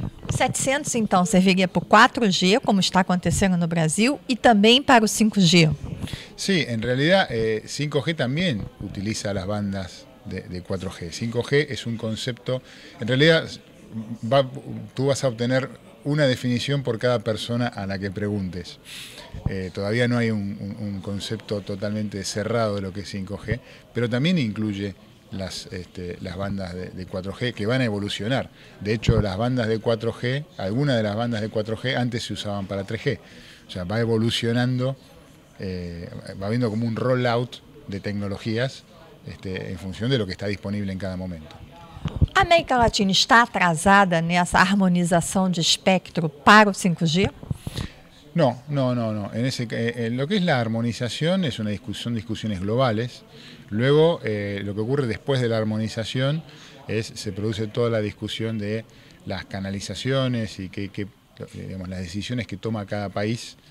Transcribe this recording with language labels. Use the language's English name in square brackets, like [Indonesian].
[Portuguese] 700, então, serviria para o 4G, como está acontecendo no Brasil, e também para o 5G? Sim, sí, em realidade, 5G também utiliza as bandas de 4G. [Spanish] 5G es un concepto, en realidad tú vas a obtener una definición por cada persona a la que preguntes. Todavía no hay un concepto totalmente cerrado de lo que es 5G, pero también incluye las bandas de 4G que van a evolucionar. De hecho, las bandas de 4G, algunas de las bandas de 4G antes se usaban para 3G. O sea, va evolucionando, va habiendo como un rollout de tecnologías en función de lo que está disponible en cada momento. [Portuguese] A América Latina está atrasada nessa harmonização de espectro para o 5G? [Spanish] No. En lo que es la armonización es una discusión, discusiones globales. Luego, lo que ocurre después de la armonización es se produce toda la discusión de las canalizaciones y que digamos, las decisiones que toma cada país.